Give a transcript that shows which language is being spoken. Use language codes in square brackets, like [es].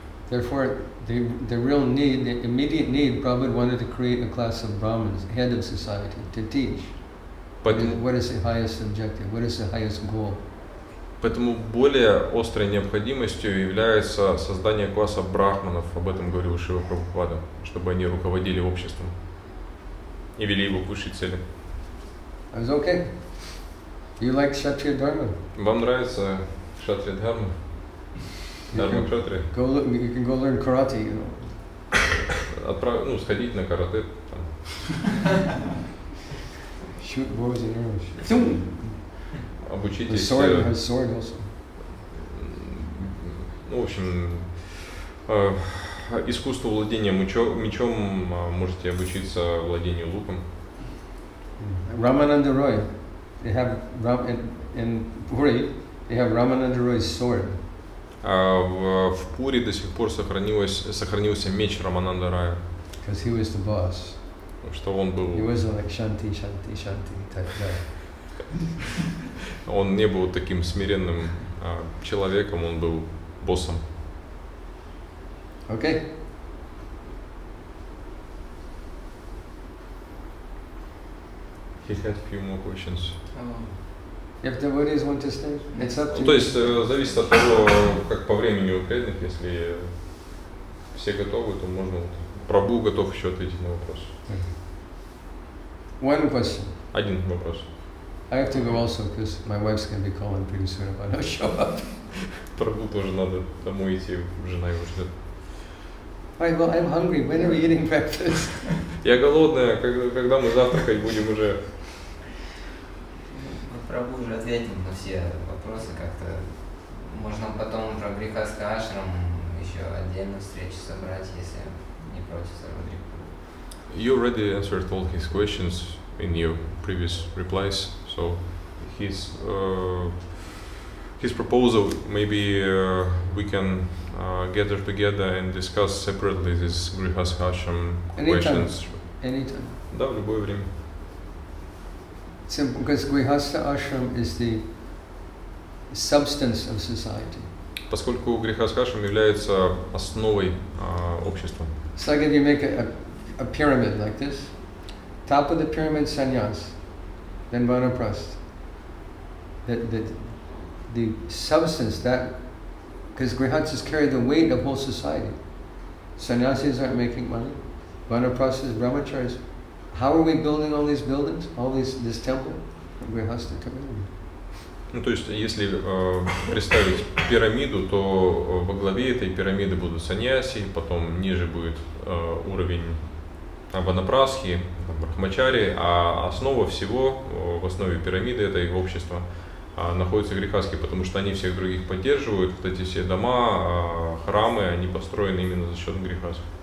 [en] Therefore, the real need, the immediate need, Prabhupada wanted to create a class of Brahmins, head of society, to teach. What is the highest objective? What is the highest goal? [ru] Поэтому более острой необходимостью является создание класса брахманов, об этом говорил Шрила Прабхупада, чтобы они руководили обществом и вели его к высшей цели. [en] It's okay. You like Kshatriya Dharma? [ru] Вам нравится Kshatriya Dharma? [en] You can go learn karate, you know. [ru] Ну, сходить на карате. [en] Shoot bows and arrows. [ru] Обучитесь. [en] The sword has sword also. [ru] Ну, в общем, искусство владения мечом можете обучиться владению луком. [en] Ramananda Roy. They have in Puri, they have Ramananda Roy's sword. [ru] В Пури до сих пор сохранился меч Рамананда Рая. [en] Because he was the boss. [ru] Что он был? [en] He was like Shanti, Shanti, Shanti type guy. [ru] Он не был таким смиренным человеком, он был боссом. [en] Okay. He had few more questions. If the devotees want to stay, it's up to you. [ru] То есть зависит от того, как по времени у преданных, если все готовы, то можно. Прабху готов еще ответить на вопрос. [en] One question. [ru] Один вопрос. [en] I have to go also, because my wife's gonna be calling pretty soon if I don't show up. [ru] Прабху тоже надо домой идти, жена его ждет. [en] Well, I'm hungry. When are we eating breakfast? [ru] Я голодная. Когда мы завтракать будем уже? Прабху уже ответил на все вопросы как-то. Можно потом про Грихаска Ашрам еще отдельную встречу собрать, если не против Сарвадрипа. [en] You already answered all his questions in your previous replies, so his proposal, maybe we can gather together and discuss separately this Grihaska Ashram questions. Anytime. [ru] Да, в любое время. [en] Simple, because Grihastha Ashram is the substance of society. [ru] Поскольку Грихастха Ашрам является основой общества. [en] So like if you make a a pyramid like this. Top of the pyramid, sannyas, then vanaprast. The substance that, because grihatsas carry the weight of whole society. Sannyasis aren't making money. Vanaprastas, brahmacharis. How are we building all these buildings, all this temple? Grihastha community. [ru] Ну, то есть, если представить пирамиду, то во главе этой пирамиды будут саньяси, потом ниже будет уровень ванапрасхи, брахмачари, а основа всего, в основе пирамиды, это их общество, находится грихаски, потому что они всех других поддерживают, вот эти все дома, храмы, они построены именно за счет грихаски.